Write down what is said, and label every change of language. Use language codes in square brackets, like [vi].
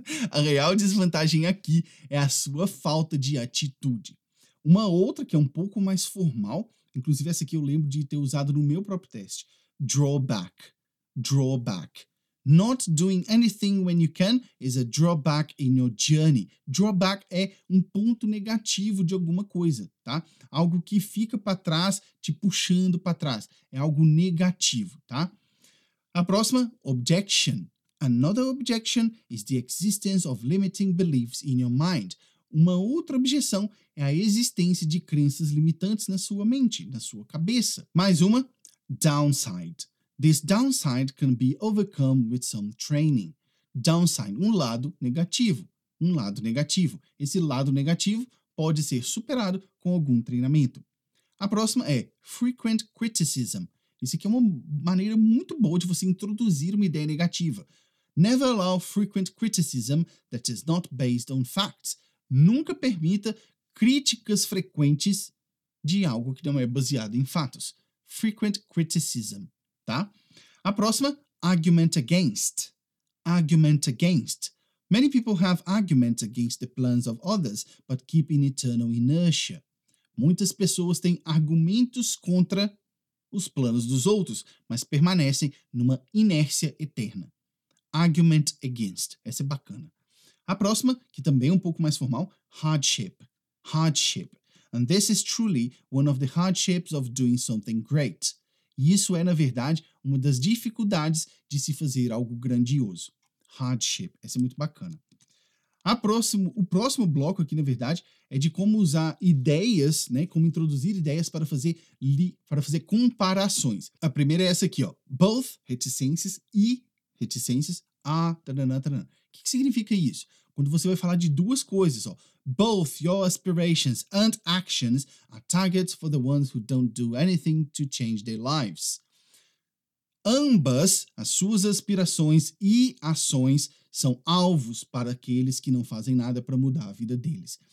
[pt] A real desvantagem aqui é a sua falta de atitude. Uma outra que é um pouco mais formal, inclusive essa aqui eu lembro de ter usado no meu próprio teste. [en] Drawback. Drawback. Not doing anything when you can is a drawback in your journey. [pt] Drawback é um ponto negativo de alguma coisa, tá? Algo que fica para trás, te puxando para trás. É algo negativo, tá? A próxima, objection. [en] Another objection is the existence of limiting beliefs in your mind. [pt] Uma outra objeção é a existência de crenças limitantes na sua mente, na sua cabeça. Mais uma, downside. [en] This downside can be overcome with some training. [pt] Downside, um lado negativo. Um lado negativo. Esse lado negativo pode ser superado com algum treinamento. A próxima é frequent criticism. Isso aqui é uma maneira muito boa de você introduzir uma ideia negativa. [en] Never allow frequent criticism that is not based on facts. [pt] Nunca permita críticas frequentes de algo que não é baseado em fatos. Frequent criticism. Tá? A próxima, argument against. [en] Argument against. Many people have arguments against the plans of others, but keep in eternal inertia. [pt] Muitas pessoas têm argumentos contra os planos dos outros, mas permanecem numa inércia eterna. Argument against. Essa é bacana. A próxima, que também é um pouco mais formal, hardship. [en] Hardship. And this is truly one of the hardships of doing something great. [pt] E isso é, na verdade, uma das dificuldades de se fazer algo grandioso. Hardship. Essa é muito bacana. O próximo bloco aqui, na verdade, é de como usar ideias, né? Como introduzir ideias para fazer comparações. A primeira é essa aqui, ó. Both, reticências, e reticências, O que significa isso? Quando você vai falar de duas coisas, ó. [en] Both your aspirations and actions are targets for the ones who don't do anything to change their lives. [pt] Ambas as suas aspirações e ações são alvos para aqueles que não fazem nada para mudar a vida deles.